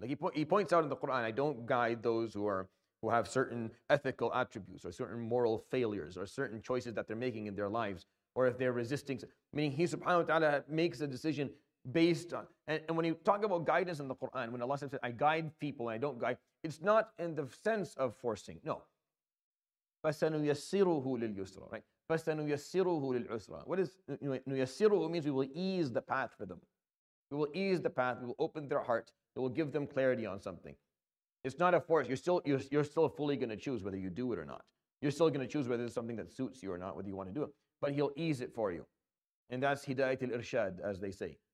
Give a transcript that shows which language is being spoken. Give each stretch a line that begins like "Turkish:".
English: Like, he points out in the Quran, I don't guide those who have certain ethical attributes or certain moral failures or certain choices that they're making in their lives, or if they're resisting. Meaning, he, subhanahu wa ta'ala, makes a decision based on, and when you talk about guidance in the Quran, when Allah says, I guide people and I don't guide, it's not in the sense of forcing. No.
Arabic: فَسَنُيَسِّرُهُ لِلْيُسْرَ,
English: right?
Arabic: فَسَنُيَسِّرُهُ لِلْعُسْرَ.
English: What is, نُيَسِّرُهُ means we will ease the path for them. We will ease the path, we will open their heart, it will give them clarity on something. It's not a force. You're still fully going to choose whether you do it or not. You're still going to choose whether it's something that suits you or not, whether you want to do it. But He'll ease it for you. And that's Hidayat al-Irshad, as they say.